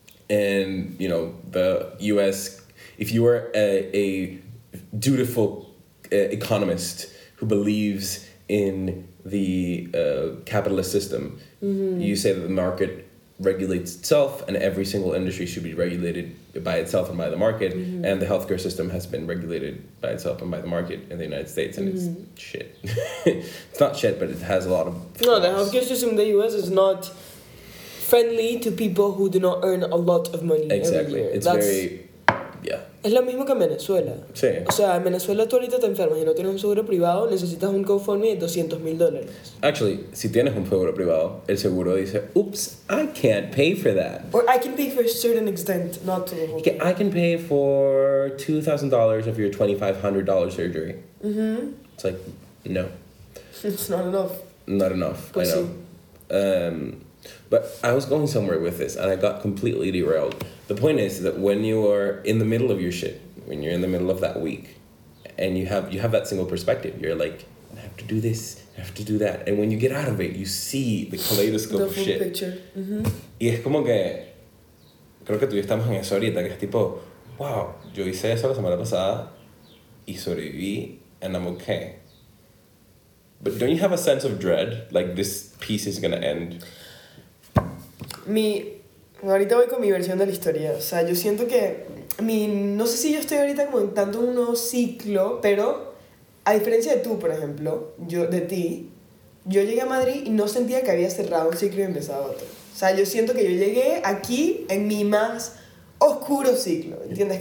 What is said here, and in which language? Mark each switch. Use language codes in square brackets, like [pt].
[en] And, you know, the U.S., if you are a dutiful economist who believes in the capitalist system, you say that the market regulates itself and every single industry should be regulated by itself and by the market, and the healthcare system has been regulated by itself and by the market in the United States, and it's shit. It's not shit, but it has a lot of... No, the healthcare system in the U.S. is not... friendly to people who do not earn a lot of money exactly. every year. Exactly. Yeah. [es] Es lo mismo que en Venezuela. Sí. O sea, en Venezuela tú ahorita te enfermas y no tienes un seguro privado, necesitas un GoFundMe de $200,000. [en] Actually, [es] si tienes un seguro privado, el seguro dice, [en] oops, I can't pay for that. Or I can pay for a certain extent, not to the whole thing. I can pay for $2,000 of your $2,500 surgery. It's like, no. It's not enough. Not enough, [es] pues [en] I know. [es] Sí. [en] But I was going somewhere with this, and I got completely derailed. The point is that when you are in the middle of your shit, when you're in the middle of that week, and you have that single perspective, you're like, I have to do this, I have to do that. And when you get out of it, you see the kaleidoscope of shit. The full picture. Mm-hmm. [es] Y es como que, creo que tú y estamos en eso ahorita, que es tipo, wow, yo hice eso la semana pasada, y sobreviví, [en] and I'm okay. But don't you have a sense of dread, like this piece is going to end? [es] Ahorita voy con mi versión de la historia. O sea, yo siento que... no sé si yo estoy ahorita como en tanto un nuevo ciclo, pero a diferencia de tú, por ejemplo, de ti, yo llegué a Madrid y no sentía que había cerrado un ciclo y empezado otro. O sea, yo siento que yo llegué aquí en mi más oscuro ciclo, ¿entiendes?